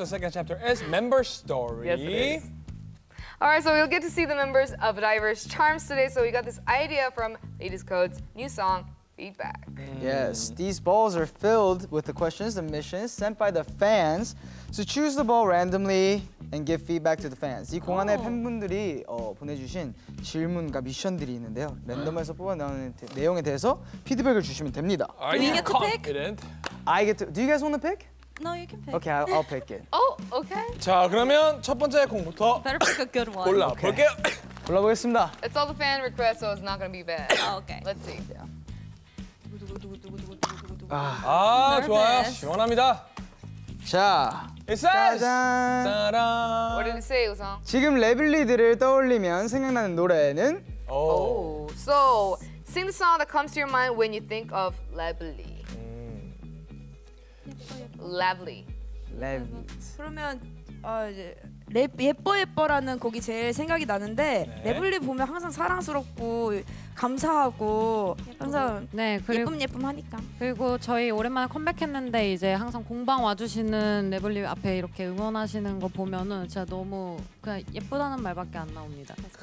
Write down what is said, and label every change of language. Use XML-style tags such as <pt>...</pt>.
<en>The second chapter is member story. Yes, it is. All right, so we'll get to see the members of Diverse Charms today. So we got this idea from Ladies Code's new song, Feedback. Yes, these balls are filled with the questions and missions sent by the fans. So choose the ball randomly and give feedback to the fans.</en> <ko>이 공 안에 팬분들이 보내주신 질문과 미션들이 있는데요. 랜덤에서 뽑아내는 내용에 대해서 피드백을 주시면 됩니다.</ko> <en>Are you confident? I get to, do you guys want to pick? No, you can pick. Okay, I'll pick it. Oh, okay.</en> <ko>자, 그러면 첫 번째 공부터</ko> <en>Better pick a good one.</en> <ko>골라볼게요. 골라보겠습니다.</ko> <en>It's all the fan request, so it's not gonna be bad. Okay. Let's see.</en> <ko>아, 좋아요. 시원합니다. 자,</ko> <en>It says!</en> <ko>짜잔. 따란.</ko> <en>What did it say, 우성?</en> <ko>지금 레블리드를 떠올리면 생각나는 노래는?</ko> <en>Oh. So, sing the song that comes to your mind when you think of 레블리. Lovely. Lovely.</en> <ko>그러면 예뻐 예뻐라는 곡이 제일 생각이 나는데 레블리 네. 보면 항상 사랑스럽고 감사하고 항상 네, 그리고, 예쁨 예쁨 하니까. 그리고 저희 오랜만에 컴백했는데 이제 항상 공방 와주시는 레블리 앞에 이렇게 응원하시는 거 보면은 진짜 너무 그냥 예쁘다는 말밖에 안 나옵니다.</ko>